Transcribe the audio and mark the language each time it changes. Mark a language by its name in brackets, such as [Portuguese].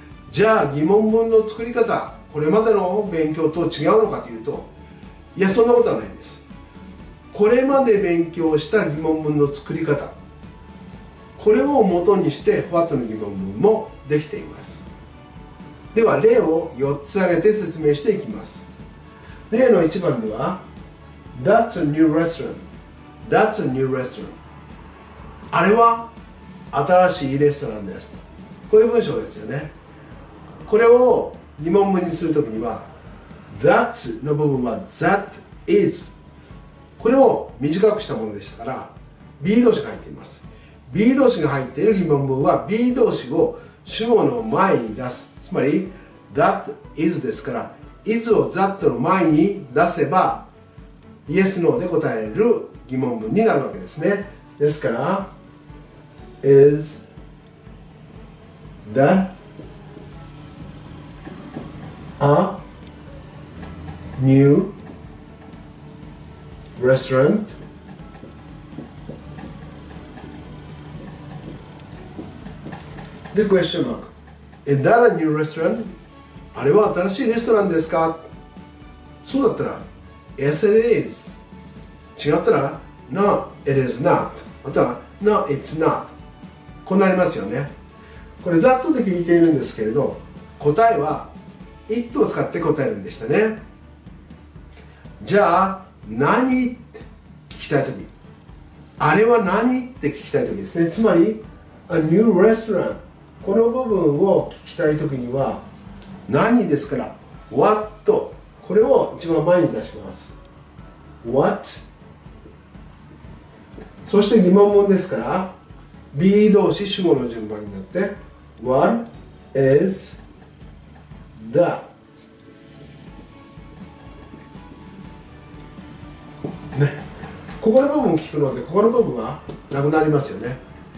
[Japanese] じゃあ疑問文の作り方、これまでの勉強と違うのかというと、いや、そんなことはないんです。これまで勉強した疑問文の作り方、これを元にして What の疑問文もできています。では例を4つ挙げて説明していきます。例の1番では [English] That's a new restaurant. That's a new restaurant. [Japanese] あれは新しいレストランです、こういう文章ですよね。これを疑問文にするときには That's の部分は That is、 これを短くしたものでしたから B 動詞が入っています。 B 動詞が入っている疑問文は B 動詞を主語の前に出す、つまり That is ですから Is を That の前に出せば Yes, No で答える疑問文になるわけですね。ですから [English] Is that a new restaurant? [Japanese] で、クエスチョンマーク。 [English] Is that a new restaurant? [Japanese] あれは新しいレストランですか?そうだったら、 [English] Yes, it is. [Japanese] 違ったら、 [English] No, it is not. [Japanese] または、 [English] No, it's not. [Japanese] こうなりますよね。これ、ざっとで聞いているんですけれど、答えは、It を使って答えるんでしたね。じゃあ、何って聞きたいとき。あれは何って聞きたいときですね。 [English] つまり、A new restaurant. [Japanese] この部分を聞きたいときには何ですから What、 これを一番前に出します。 What、 そして疑問文ですから B 動詞主語の順番になって [English] What is that、 [Japanese] ね、ここの部分を聞くのでここの部分はなくなりますよね。